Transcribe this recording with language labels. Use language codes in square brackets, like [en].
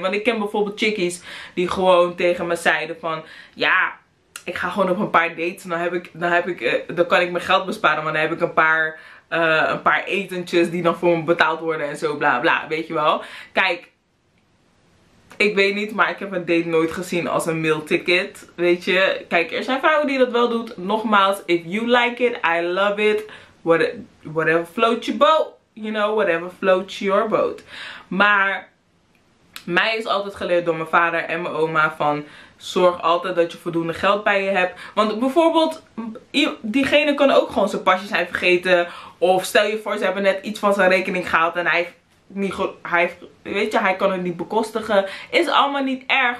[nl] Want ik ken bijvoorbeeld chickies die gewoon tegen me zeiden van, ja, ik ga gewoon op een paar dates, dan kan ik mijn geld besparen, want dan heb ik een paar etentjes die dan voor me betaald worden en zo, bla bla, weet je wel. Kijk, ik weet niet, maar ik heb een date nooit gezien als een meal ticket, weet je. Kijk, er zijn vrouwen die dat wel doen. Nogmaals, [en] if you like it, I love it. Whatever floats your boat, you know, whatever floats your boat. [nl] Maar mij is altijd geleerd door mijn vader en mijn oma van, zorg altijd dat je voldoende geld bij je hebt. Want bijvoorbeeld, diegene kan ook gewoon zijn pasje zijn vergeten. Of stel je voor, ze hebben net iets van zijn rekening gehaald en hij niet goed. Hij, weet je, hij kan het niet bekostigen. Is allemaal niet erg.